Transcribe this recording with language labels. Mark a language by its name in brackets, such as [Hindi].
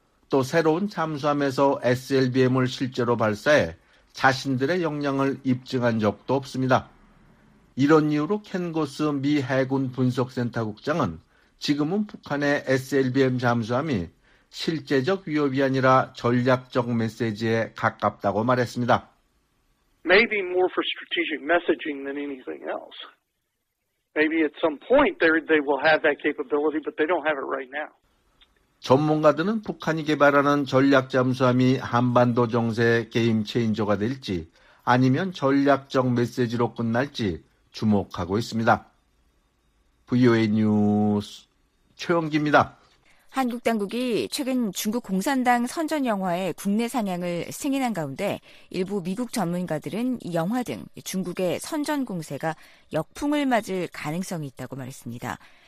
[Korean] 또 새로운 잠수함에서 SLBM을 실제로 발사해 자신들의 역량을 입증한 적도 없습니다. 이런 이유로 켄고스 미 해군 분석센터 국장은 지금은 북한의 SLBM 잠수함이 실제적 위협이 아니라 전략적 메시지에 가깝다고 말했습니다. [English] Maybe more for strategic messaging than anything else. Maybe at some point they will have that capability, but they don't have it right now. [Korean] 전문가들은 북한이 개발하는 전략 잠수함이 한반도 정세의 게임 체인저가 될지 아니면 전략적 메시지로 끝날지 주목하고 있습니다. VOA 뉴스 최영기입니다. 한국 당국이 최근 중국 공산당 선전 영화의 국내 상영을 승인한 가운데 일부 미국 전문가들은 이 영화 등 중국의 선전 공세가 역풍을 맞을 가능성이 있다고 말했습니다.